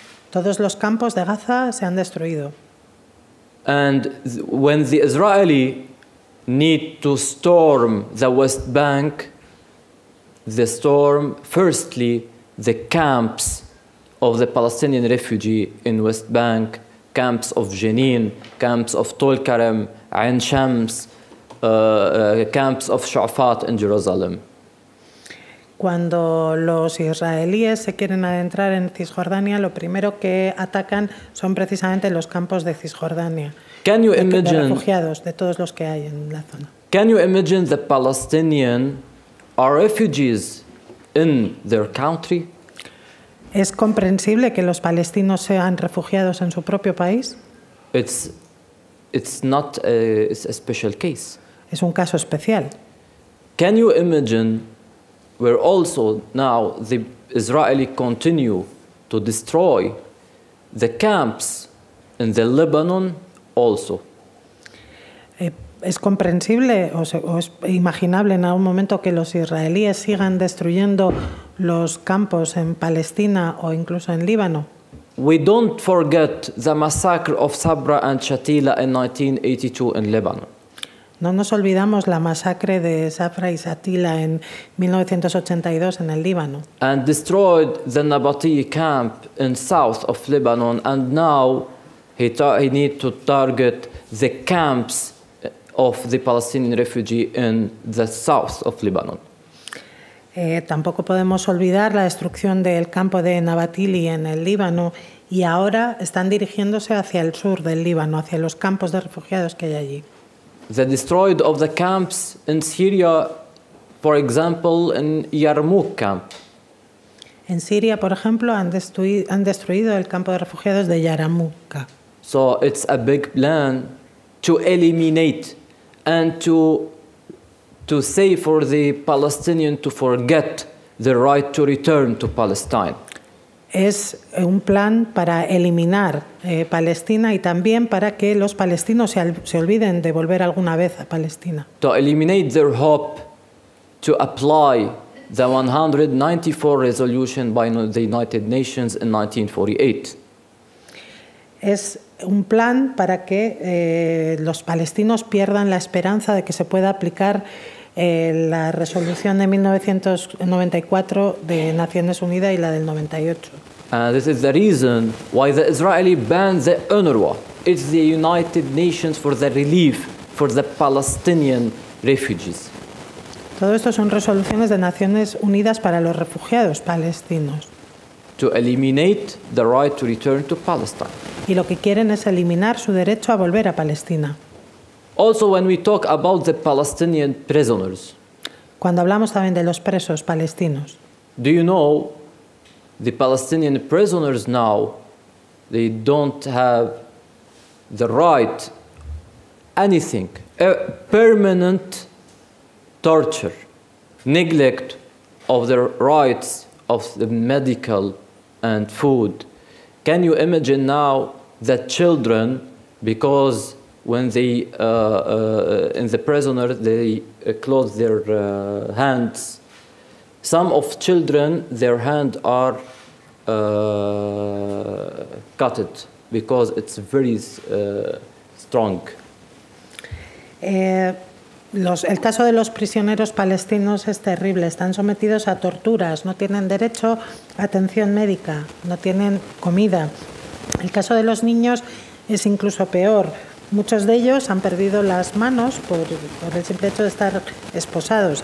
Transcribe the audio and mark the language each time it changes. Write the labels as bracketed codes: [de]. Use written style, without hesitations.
[es] Todos los campos de Gaza se han destruido. [en] And when the Israeli need to storm the West Bank, the storm firstly the camps of the Palestinian refugee in West Bank, camps of Jenin, camps of Tol Karem, Ain Shams, camps of Shafat in Jerusalem. [es] Cuando los israelíes se quieren adentrar en Cisjordania, lo primero que atacan son precisamente los campos de Cisjordania. [en] Can you imagine, [es] de refugiados, de todos los que hay en la zona. [en] Can you imagine the Palestinian are refugees in their country? [es] ¿Es comprensible que los palestinos sean refugiados en su propio país? [en] It's not a special case. [es] Es un caso especial. [en] Can you imagine where also now the Israeli continue to destroy the camps in the Lebanon also? [es] ¿Es comprensible o es imaginable en algún momento que los israelíes sigan destruyendo los campos en Palestina o incluso en Líbano? [en] We don't forget the massacre of Sabra and Shatila in 1982 in Lebanon. [es] No nos olvidamos la masacre de Sabra y Shatila en 1982 en el Líbano. [en] And destroyed the Nabati camp in south of Lebanon, and now he need to target the camps of the Palestinian refugee in the south of Lebanon. [es] Tampoco podemos olvidar la destrucción del campo de Nabatili en el Líbano y ahora están dirigiéndose hacia el sur del Líbano, hacia los campos de refugiados que hay allí. [en] The destroyed of the camps in Syria, for example, in Yarmouk camp. [es] En Siria, por ejemplo, han destruido el campo de refugiados de Yarmouk. [en] So it's a big plan to eliminate and to say for the Palestinian to forget the right to return to Palestine. [es] Es un plan para eliminar Palestina y también para que los palestinos se olviden de volver alguna vez a Palestina. [en] To eliminate their hope to apply the 194 resolution by the United Nations in 1948. [es] Es un plan para que los palestinos pierdan la esperanza de que se pueda aplicar la resolución de 1994 de Naciones Unidas y la del 98. [en] This is the reason why the Israeli banned the UNRWA. It's the United Nations for the relief for the Palestinian refugees. [es] Todo esto son resoluciones de Naciones Unidas para los refugiados palestinos. [en] To eliminate the right to return to Palestine. [es] Y lo que quieren es eliminar su derecho a volver a Palestina. [en] Also, when we talk about the Palestinian prisoners. [es] Cuando hablamos también de los presos palestinos. [en] Do you know The Palestinian prisoners now, they don't have the right, anything, a permanent torture, neglect of their rights of the medical and food. Can you imagine now that children, because when they, in the prisoner, they close their hands. Some of children, their hands are cut it because it's very strong. [es] El caso de los prisioneros palestinos es terrible. Están sometidos a torturas, no tienen derecho a atención médica, no tienen comida. El caso de los niños es incluso peor. Muchos de ellos han perdido las manos por el simple hecho de estar esposados.